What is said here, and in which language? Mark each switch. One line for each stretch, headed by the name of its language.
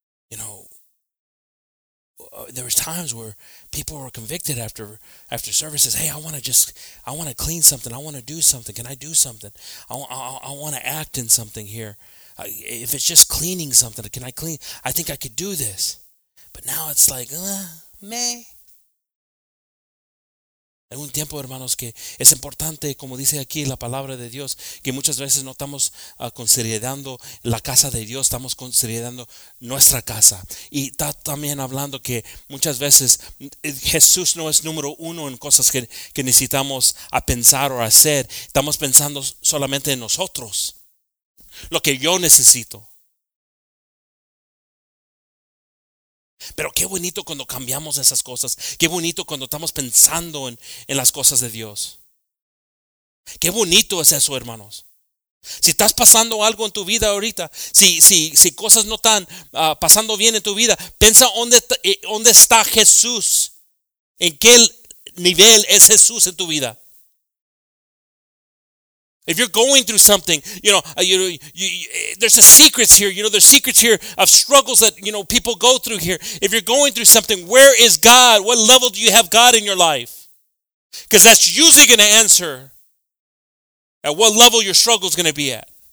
English: You know, there was times where people were convicted after services. Hey, I want to clean something. I want to do something. Can I do something? I want to act in something here. If it's just cleaning something, can I clean? I think I could do this. But now it's like, meh.
Spanish: Hay un tiempo, hermanos, que es importante, como dice aquí la palabra de Dios, que muchas veces no estamos considerando la casa de Dios, estamos considerando nuestra casa. Y está también hablando que muchas veces Jesús no es número uno en cosas que necesitamos a pensar o hacer. Estamos pensando solamente en nosotros, lo que yo necesito. Pero qué bonito cuando cambiamos esas cosas. Qué bonito cuando estamos pensando en las cosas de Dios. Qué bonito es eso, hermanos. Si estás pasando algo en tu vida ahorita, si cosas no están pasando bien en tu vida, piensa dónde está Jesús. ¿En qué nivel es Jesús en tu vida?
English: If you're going through something, you know, there's a secrets here, you know, there's secrets here of struggles that, you know, people go through here. If you're going through something, where is God? What level do you have God in your life? Because that's usually going to answer at what level your struggle is going to be at.